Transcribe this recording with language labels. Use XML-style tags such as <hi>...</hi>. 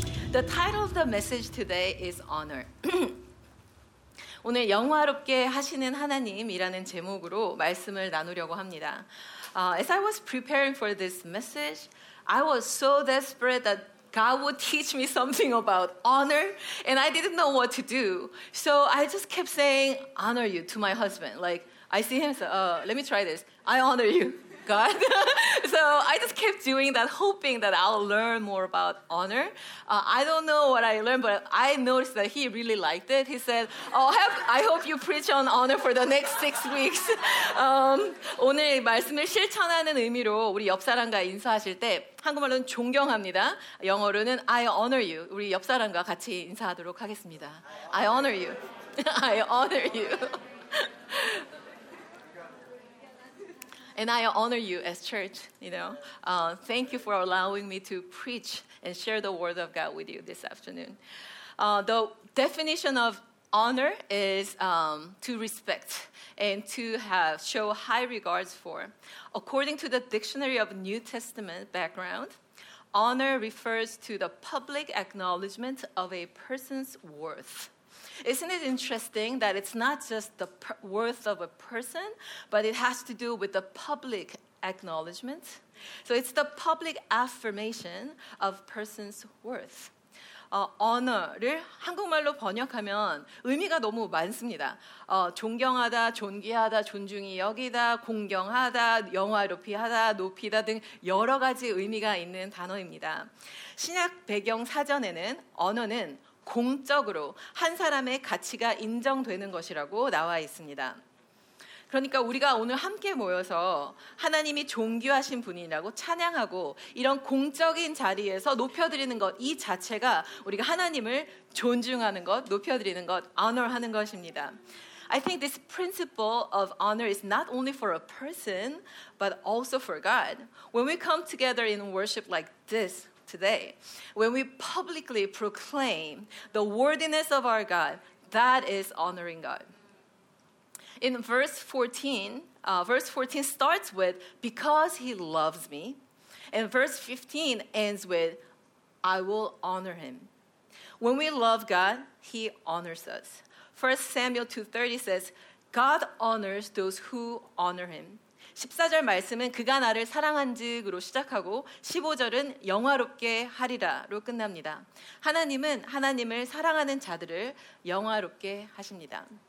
<en>The title of the message today is honor.</en> <ko>오늘 영화롭게 하시는 하나님이라는 제목으로 말씀을 나누려고 합니다.</ko> <en>As I was preparing for this message, I was so desperate that God would teach me something about honor, and I didn't know what to do. So I just kept saying, honor you, to my husband. Like, I see him, so let me try this. I honor you, God. So I just kept doing that, hoping that I'll learn more about honor. I don't know what I learned, but I noticed that he really liked it. He said, I hope you preach on honor for the next 6 weeks.</en> <ko>오늘 말씀을 실천하는 의미로 우리 옆사람과 인사하실 때 한국말로는 존경합니다. 영어로는</ko> <en>I honor you.</en> <ko>우리 옆사람과 같이 인사하도록 하겠습니다.</ko> <en>I honor you. I honor you. And I honor you as church, you know. Thank you for allowing me to preach and share the word of God with you this afternoon. The definition of honor is to respect and to have show high regards for. According to the Dictionary of New Testament background, honor refers to the public acknowledgement of a person's worth. Isn't it interesting that it's not just the worth of a person, but it has to do with the public acknowledgement? So it's the public affirmation of person's worth.</en> <ko>Honor를 한국말로 번역하면 의미가 너무 많습니다. 존경하다, 존귀하다, 존중이 여기다, 공경하다, 영화롭이하다, 높이다 등 여러 가지 의미가 있는 단어입니다. 신약 배경 사전에는 언어는 공적으로 한 사람의 가치가 인정되는 것이라고 나와 있습니다. 그러니까 우리가 오늘 함께 모여서 하나님이 존귀하신 분이라고 찬양하고 이런 공적인 자리에서 높여드리는 것, 이 자체가 우리가 하나님을 존중하는 것, 높여드리는 것, honor하는 것입니다.</ko> <en>I think this principle of honor is not only for a person, but also for God. When we come together in worship like this, today, when we publicly proclaim the worthiness of our God, that is honoring God. In verse 14 starts with, because he loves me. And verse 15 ends with, I will honor him. When we love God, he honors us. 1 Samuel 2:30 says, God honors those who honor him.</en> <ko>14절 말씀은 그가 나를 사랑한 즉으로 시작하고 15절은 영화롭게 하리라로 끝납니다. 하나님은 하나님을 사랑하는 자들을 영화롭게 하십니다.</ko>